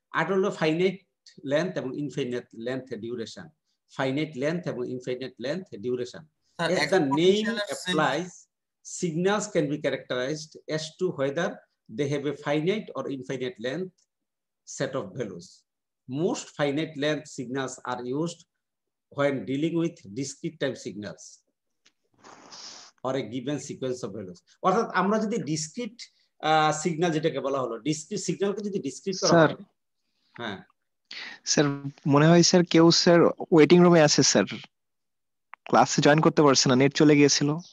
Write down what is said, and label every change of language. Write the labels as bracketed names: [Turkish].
[Bangla] আর হলো [English] Finite length এবং infinite length duration, finite length এবং infinite length duration, as the name applies signals can be characterized as to whether they have a finite or infinite length set of values. Most finite length signals are used when dealing with discrete time signals or a given sequence of values. [Bangla] অর্থাৎ আমরা যদি discrete signal যেটাকে বলা হলো discrete সিগন্যালকে যদি discrete করা হয়, হ্যাঁ স্যার মনে হয় স্যার কেউ স্যার ওয়েটিং রুমে আছে স্যার, ক্লাসে জয়েন করতে পারছে না, নেট চলে গিয়েছিল।